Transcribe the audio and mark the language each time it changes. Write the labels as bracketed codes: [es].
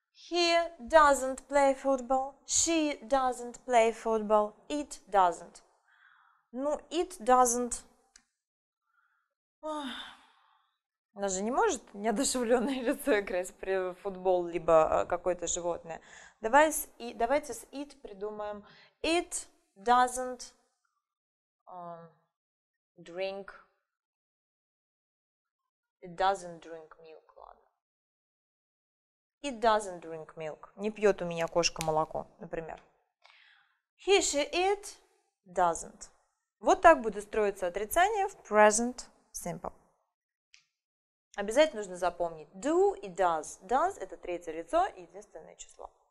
[en] He doesn't play football, she doesn't play football, it doesn't. Ну, it doesn't. [ru] Она же не может неодушевленное лицо играть при футбол, либо какое-то животное. Давайте с it придумаем. [en] It doesn't drink. It doesn't drink milk, [ru] ладно. [en] It doesn't drink milk. [ru] Не пьет у меня кошка молоко, например. [en] He, she, it doesn't. [ru] Вот так будет строиться отрицание в present simple. Обязательно нужно запомнить. [en] Do и does. [ru] Does – это третье лицо и единственное число.